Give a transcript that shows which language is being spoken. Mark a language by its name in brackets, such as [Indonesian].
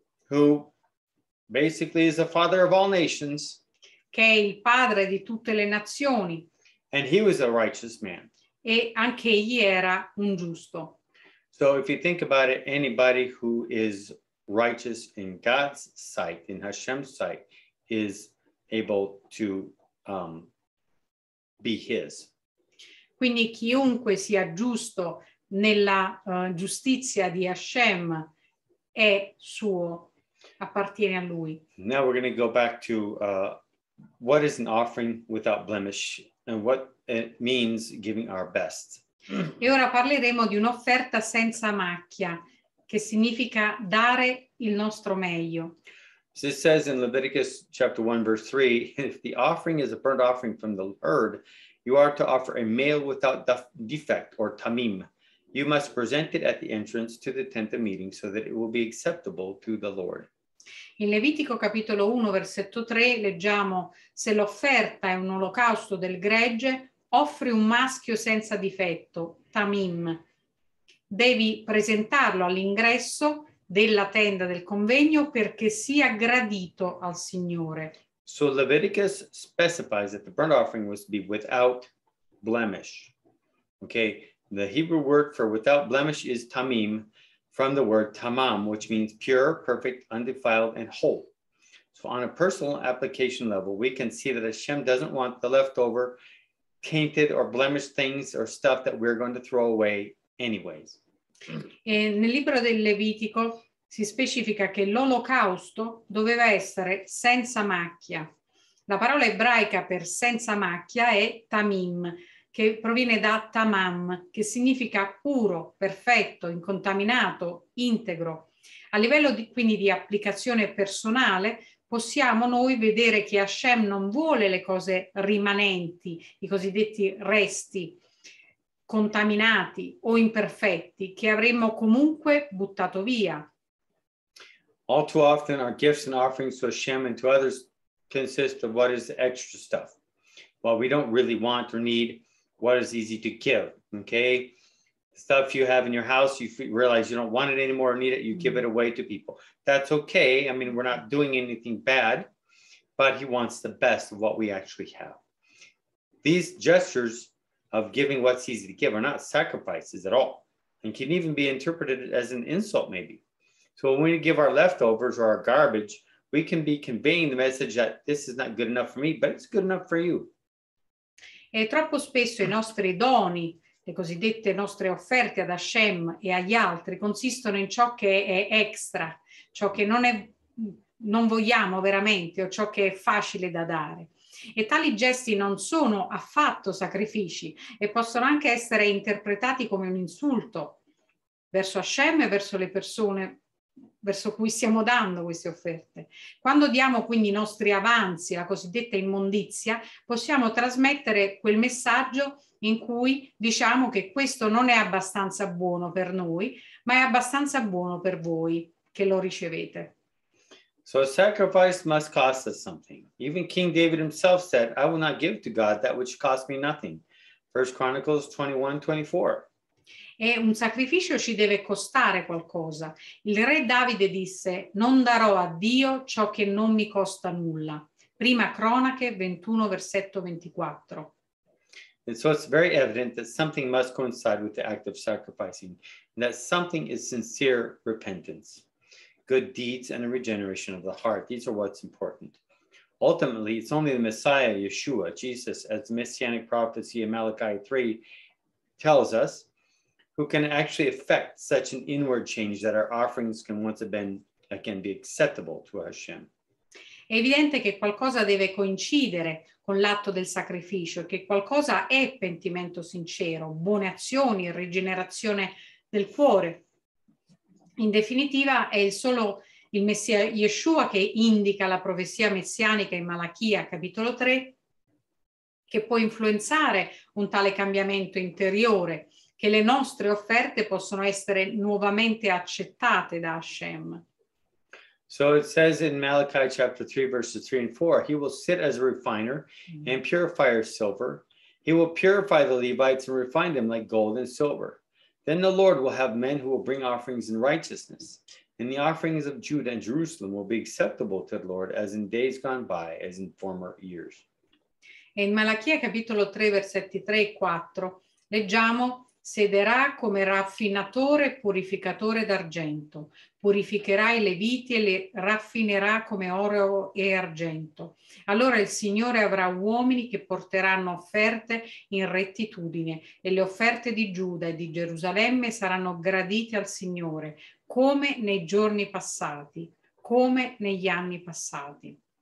[English] Who basically is the father of all nations. [Italian] Che è il padre di tutte le nazioni. [English] And he was a righteous man. [Italian] E anche egli era un giusto. [English] So if you think about it, anybody who is righteous in God's sight, in Hashem's sight, is able to be his. [Italian] Quindi chiunque sia giusto nella giustizia di Hashem è suo, appartiene a lui. [English] Now we're going to go back to what is an offering without blemish and what it means giving our best. [Italian] E ora parleremo di un'offerta senza macchia, che significa dare il nostro meglio. [English] So it says in Leviticus chapter 1 verse 3, if the offering is a burnt offering from the herd, you are to offer a male without defect or tamim. You must present it at the entrance to the tent of meeting so that it will be acceptable to the Lord. [Italian] In Levitico capitolo 1 versetto 3 leggiamo: se l'offerta è un olocausto del gregge, offri un maschio senza difetto, tamim. Devi presentarlo all'ingresso della tenda del convegno perché sia gradito al Signore. [English] So Leviticus specifies that the burnt offering was to be without blemish. Okay, the Hebrew word for without blemish is tamim, from the word tamam, which means pure, perfect, undefiled, and whole. So on a personal application level, we can see that Hashem doesn't want the leftover tainted or blemished things or stuff that we're going to throw away anyways. [Italian] E nel libro del Levitico si specifica che l'olocausto doveva essere senza macchia. La parola ebraica per senza macchia è tamim, che proviene da tamam, che significa puro, perfetto, incontaminato, integro. A livello quindi di applicazione personale, possiamo noi vedere che Hashem non vuole le cose rimanenti, i cosiddetti resti, contaminati o imperfetti, che avremmo comunque buttato via. [English] All too often our gifts and offerings to Hashem and to others consist of what is the extra stuff. Well, we don't really want or need what is easy to give, okay? Stuff you have in your house, you realize you don't want it anymore or need it, you give it away to people. That's okay. I mean, we're not doing anything bad, but he wants the best of what we actually have. These gestures of giving what's easy to give are not sacrifices at all and can even be interpreted as an insult maybe. So when we give our leftovers or our garbage, we can be conveying the message that this is not good enough for me, but it's good enough for you. [Italian] E troppo spesso i nostri doni, le cosiddette nostre offerte ad Hashem e agli altri, consistono in ciò che è extra, ciò che non vogliamo veramente o ciò che è facile da dare. E tali gesti non sono affatto sacrifici e possono anche essere interpretati come un insulto verso Hashem e verso le persone verso cui stiamo dando queste offerte. Quando diamo quindi i nostri avanzi, la cosiddetta immondizia, possiamo trasmettere quel messaggio in cui diciamo che questo non è abbastanza buono per noi, ma è abbastanza buono per voi che lo ricevete. [English] So a sacrifice must cost us something. Even King David himself said, I will not give to God that which cost me nothing. 1 Chronicles 21:24. [Italian] E un sacrificio ci deve costare qualcosa. Il re Davide disse, non darò a Dio ciò che non mi costa nulla. 1 Cronache 21:24. [English] And so it's very evident that something must coincide with the act of sacrificing, and that something is sincere repentance, good deeds and a regeneration of the heart. These are what's important. Ultimately, it's only the Messiah, Yeshua, Jesus, as the Messianic prophecy in Malachi 3 tells us, who can actually affect such an inward change that our offerings can once again be acceptable to Hashem. [Italian] È evidente che qualcosa deve coincidere con l'atto del sacrificio, che qualcosa è pentimento sincero, buone azioni, rigenerazione del cuore. In definitiva, è solo il Messia Yeshua che indica la profezia messianica in Malachia, capitolo 3, che può influenzare un tale cambiamento interiore, che le nostre offerte possono essere nuovamente accettate da Hashem. [English] So it says in Malachi chapter 3, verses 3 and 4, he will sit as a refiner and purifier of silver. He will purify the Levites and refine them like gold and silver. Then the Lord will have men who will bring offerings in righteousness, and the offerings of Judah and Jerusalem will be acceptable to the Lord as in days gone by, as in former years. [Italian] E in Malachia capitolo 3, versetti 3 e 4, leggiamo: sederà come raffinatore purificatore d'argento, purificherà i leviti e li raffinerà come oro e argento. Allora il Signore avrà uomini che porteranno offerte in rettitudine, e le offerte di Giuda e di Gerusalemme saranno gradite al Signore, come nei giorni passati, come negli anni passati.